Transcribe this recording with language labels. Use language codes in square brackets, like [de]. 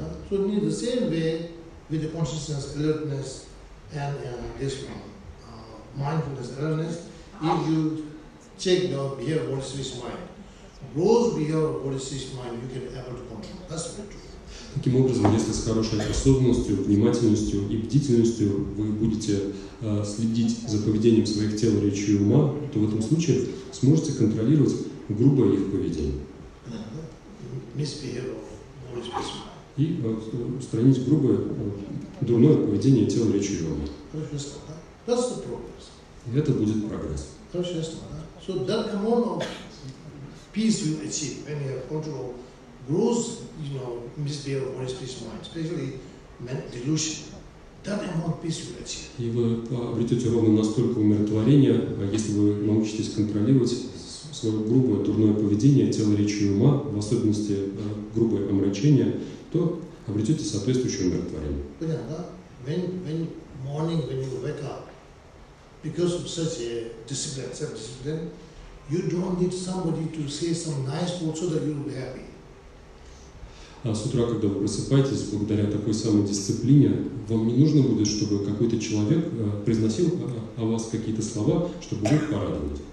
[en] So, in the same way, with the consciousness, alertness, and this one, mindfulness, alertness, if you check the behavior of body, speech, mind, those behavior of body, speech, mind, you can able to control. That's very true. [ru] Таким образом, если с хорошей осознанностью, внимательностью и бдительностью вы будете следить за поведением своих тел, речи и ума, то в этом случае сможете контролировать грубое их поведение. [en] Misbehavior of body, speech, mind. [ru] И устранить грубое, дурное поведение тела, речи и ума. [en] That's the progress. [ru] Это будет прогресс. [en] So that amount of peace you achieve when you control gross, you know, misbehavior of body, speech, mind, especially delusion, that amount of peace you achieve. [ru] И вы обретете ровно настолько умиротворение, если вы научитесь контролировать свое грубое, дурное поведение тела, речи и ума, в особенности грубое омрачение, то обретете соответствующее умиротворение. Понятно, да? [en] When morning, when you wake up, because of such a discipline, self-discipline, you don't need somebody to say some nice words so that you will be happy. [ru] А с утра, когда вы просыпаетесь, благодаря такой самой дисциплине, вам не нужно будет, чтобы какой-то человек произносил о вас какие-то слова, чтобы вы порадовались.